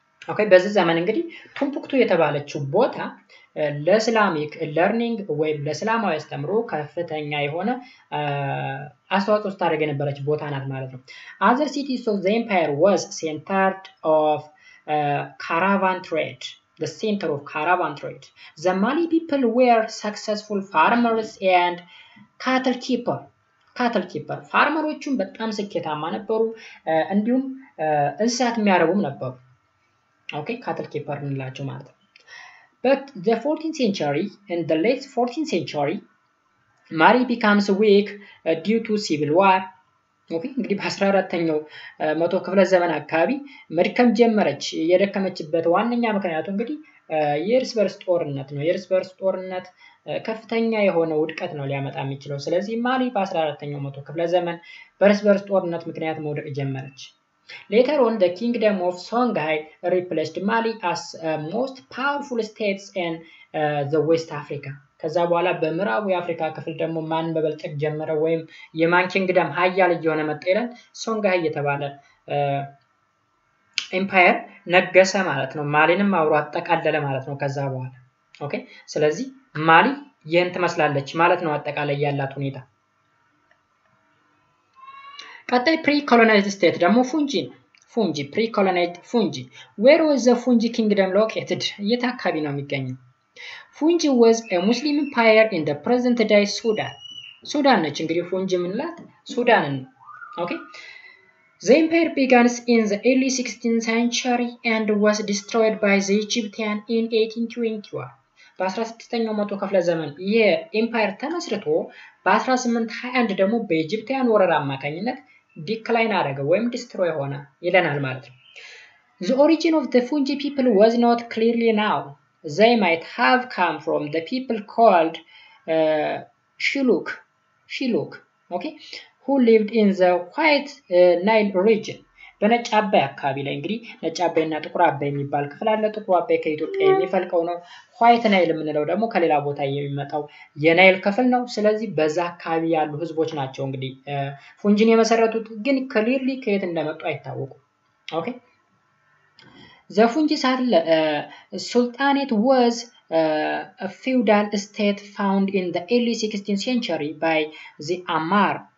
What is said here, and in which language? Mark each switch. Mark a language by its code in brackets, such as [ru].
[am] Okay, በዚህ ዘመን እንግዲህ Timbuktu የተባለችው ቦታ ለእስላሚክ ለርኒንግ ወይም ለእስላማዊ አስተምሮ ከፍተኛ የሆነ አስተዋጽኦ ስታደርግ የነበረች ቦታ ናት ማለት ነው። [en] Other cities of the empire was centered of caravan trade. The center of caravan trade. The Mali people were successful farmers and cattle keepers. Cattle keepers. [am] ፋርመሮቹም በጣም ስኬታማ ነበሩ እንዲሁም እንስሳት የሚያረቡም ነበሩ። [en] Okay, cattle keepers [am] እንላቸው ማለት ነው። [en] But the 14th century and the late 14th century, Mali becomes weak due to civil war. [am] Okay, እንግዲህ በ14ኛው መቶ ክፍለ ዘመን አካባቢ መድከም ጀመረች። የደከመችበት ዋነኛ ምክንያቱ እንግዲህ የእርስ በርስ ጦርነት ነው። የእርስ በርስ ጦርነት ከፍተኛ የሆነ ውድቀት ነው ሊያመጣ የሚችለው። ስለዚህ Mali በ14ኛው መቶ ክፍለ ዘመን በእርስ በርስ ጦርነት ምክንያት መውደቅ ጀመረች። [en] Later on, the Kingdom of Songhai replaced Mali as most powerful states in the West Africa. [am] ከዛ በኋላ በምዕራብ አፍሪካ ክፍል ደግሞ ማን በበልጥ ጀመረ ወይም የማን Kingdom ሃያል እየሆነ መጣ ይላል Songhai የተባለ empire ነገሰ ማለት ነው ማሊንም አውሮ አጠቃለለ ማለት ነው ከዛ በኋላ ኦኬ ስለዚህ ማሊ የእንት መስላለች ማለት ነው አጠቃላይ ያላት ሁኔታ ቀጣይ pre-colonized state ደግሞ ፉንጂ ነው። ፉንጂ pre-colonized ፉንጂ [en] where was the fungi kingdom located? [am] የት አካባቢ ነው የሚገኘው? [en] ፉንጂ was a muslim empire in the present day sudan. [am] sudan ነች እንግዲህ ፉንጂ ምንላት? [en] sudan ነው። okay the empire began in the early 16th century and was destroyed by the egyptian in 1821. [am] በ16ኛው መቶ ክፍለ ዘመን የኢምፓየር ተመስርቶ በ1821 ደግሞ በኢጅፕታውያን ወረራ አማካኝነት ዲክላይን አደረገ ወይም ዲስትሮይ ሆነ ይለናል ማለት ነው። [en] The origin of the Fungi people was not clearly known. They might have come from the people called Shiluk, okay? who lived in the White Nile region. [am] በነጭ አባይ አካባቢ ላይ እንግዲህ ነጭ አባይና ጥቁር አባይ የሚባል ክፍል አለ። ጥቁር አባይ ከኢትዮጵያ የሚፈልቀው ነው። ዋይት ናይል የምንለው ደግሞ ከሌላ ቦታ የሚመጣው የናይል ክፍል ነው። ስለዚህ በዛ አካባቢ ያሉ ህዝቦች ናቸው እንግዲህ ፉንጂን የመሰረቱት። ግን ክሊርሊ ከየት እንደመጡ አይታወቁም። [en] ኦኬ ዘ ፉንጂ ሳለ ሱልጣኔት ወዝ አ ፊውዳል ስቴት ፋውንድ ኢን ዘ ኤርሊ 16th ሴንቸሪ ባይ ዘ አማር